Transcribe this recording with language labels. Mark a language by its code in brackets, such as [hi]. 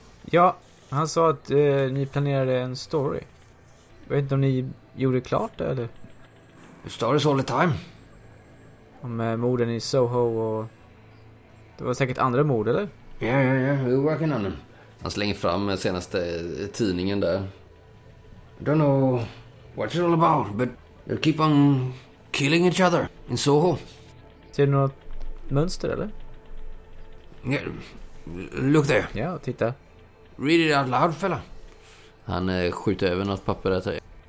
[sv] Ja, han sa att ni planerade en story. Jag vet inte om ni gjorde klart det, eller? [en] Stories all the time. [sv] Om morden i Soho och... Det var säkert andra mord, eller? [en] Ja, ja, ja. We're working on them. [sv] Han slänger fram den senaste tidningen där. [en] I don't know what it's all about, but they keep on killing each other in Soho. [sv] Ser du något mönster, eller? [en] Ja, look there. [sv] Ja, titta. [en] Read it out loud, fella. [sv] Han skjuter över något papper där.